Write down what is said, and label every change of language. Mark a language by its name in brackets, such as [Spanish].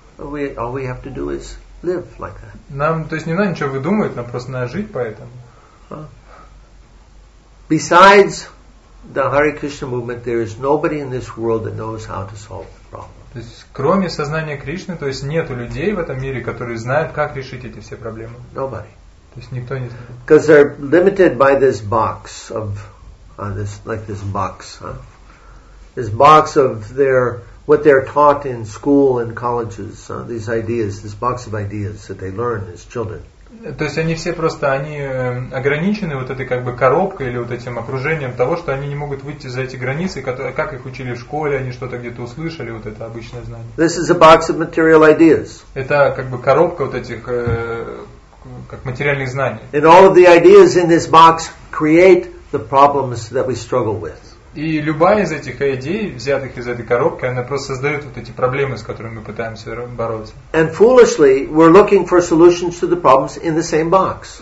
[English] All we have to do is live like that. [Russian] Нам, то есть, не надо ничего выдумывать, нам просто надо жить поэтому. [English] Besides the Hare Krishna movement, there is nobody in this world that knows how to solve the problem. [Russian] То есть, кроме сознания Кришны, то есть нету людей в этом мире, которые знают, как решить эти все проблемы. [English] Nobody. [Russian] То есть никто не знает. [English] Because they're limited by this box of this box, this box of their what they're taught in school and colleges, these ideas, this box of ideas that they learn as children. [Russian] То есть они все просто они ограничены вот этой как бы коробкой или вот этим окружением того, что они не могут выйти за эти границы, которые, как их учили в школе, они что-то где-то услышали, вот это обычное знание. [English] This is a box of material ideas. [Russian] Это как бы коробка вот этих как материальных знаний. [English] And all of the ideas in this box create the problems that we struggle with. [Russian] И любая из этих идей, взятых из этой коробки, она просто создает вот эти проблемы, с которыми мы пытаемся бороться. [English] And foolishly, we're looking for solutions to the problems in the same box.